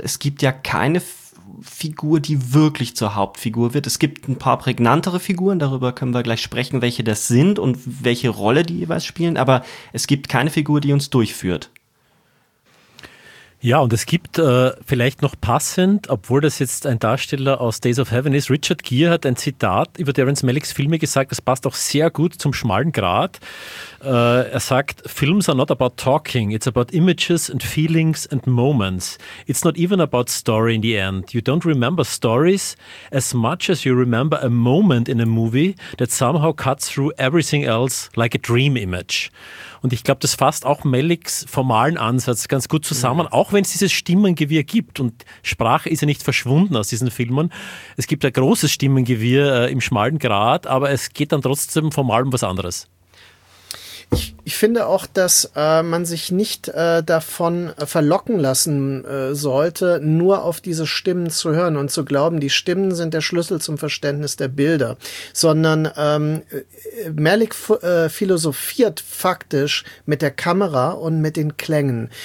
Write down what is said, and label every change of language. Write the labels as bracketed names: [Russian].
[German] Es gibt ja keine Figur, die wirklich zur Hauptfigur wird. Es gibt ein paar prägnantere Figuren, darüber können wir gleich sprechen, welche das sind und welche Rolle die jeweils spielen, aber es gibt keine Figur, die uns durchführt. Ja, und es gibt vielleicht noch passend, obwohl das jetzt ein Darsteller aus Days of Heaven ist, Richard Gere hat ein Zitat über Terrence Malicks Filme gesagt, das passt auch sehr gut zum schmalen Grat. Er sagt, [English] Films are not about talking, it's about images and feelings and moments. It's not even about story in the end. You don't remember stories as much as you remember a moment in a movie that somehow cuts through everything else like a dream image. [German] Und ich glaube, das fasst auch Malicks formalen Ansatz ganz gut zusammen, auch wenn es dieses Stimmengewirr gibt. Und Sprache ist ja nicht verschwunden aus diesen Filmen. Es gibt ein großes Stimmengewirr im schmalen Grat, aber es geht dann trotzdem formal um was anderes. Ich finde auch, dass man sich nicht davon verlocken lassen sollte, nur auf diese Stimmen zu hören und zu glauben, die Stimmen sind der Schlüssel zum Verständnis der Bilder, sondern Malick philosophiert faktisch mit der Kamera und mit den Klängen.